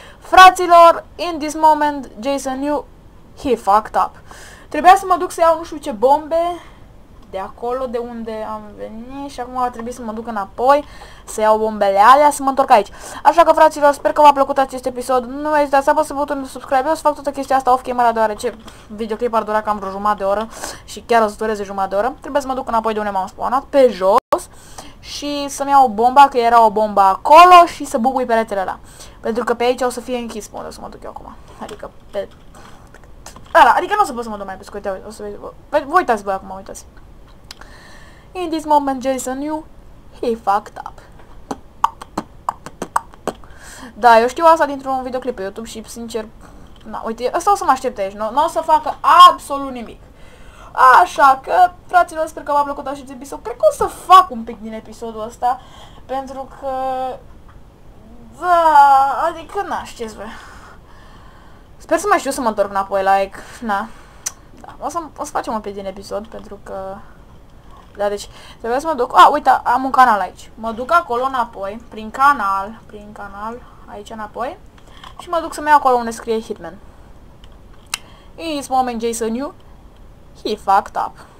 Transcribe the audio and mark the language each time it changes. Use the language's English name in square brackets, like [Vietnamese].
[Romanian] Fraților, [English] in this moment, Jason knew he fucked up. [Romanian] Trebuia să mă duc să iau nu știu ce bombe de acolo, de unde am venit și acum va trebui să mă duc înapoi să iau bombele alea, să mă întorc aici. Așa că, fraților, sper că v-a plăcut acest episod. Nu ezitați să apăsați butonul de subscribe. Eu o să fac toată chestia asta off-camera, deoarece videoclipul ar dura cam vreo jumătate de oră și chiar o să dureze jumătate de oră. Trebuie să mă duc înapoi de unde m-am spawnat, pe jos. Și să-mi iau o bombă, că era o bombă acolo, și să bubui peretele ăla. Pentru că pe aici o să fie închis, unde o să mă duc eu acum. Adică pe Da, adică nu o să pot să mă duc mai pe scurt, o să vezi, vă uitați voi acum, uitați. [English] In this moment, Jason knew he fucked up. [Romanian] Da, eu știu asta dintr-un videoclip pe YouTube și, sincer, na, uite, ăsta o să mă aștepte aici, nu o să facă absolut nimic. Așa că, fraților, sper că v-a plăcut acest episod. Cred că o să fac un pic din episodul ăsta, pentru că... Da, adică, na, știți voi. Sper să mai știu să mă întorc înapoi, like, na. Da, o să facem un pic din episod, pentru că... Da, deci, trebuie să mă duc... A, uite, am un canal aici. Mă duc acolo înapoi, prin canal, aici înapoi. Și mă duc să-mi iau acolo unde scrie Hitman. [English] In this moment, Jason knew he fucked up.